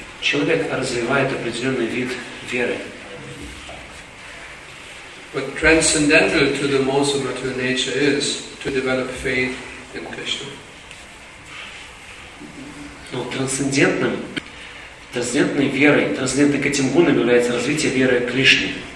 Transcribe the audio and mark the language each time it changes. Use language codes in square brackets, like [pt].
[ru] Человек развивает определенный вид веры. [en] But transcendental to the modes of material nature is to develop faith in Krishna. [ru] Но трансцендентным трансцендентной верой, трансцендентной к этим гунам является развитие веры к Кришне.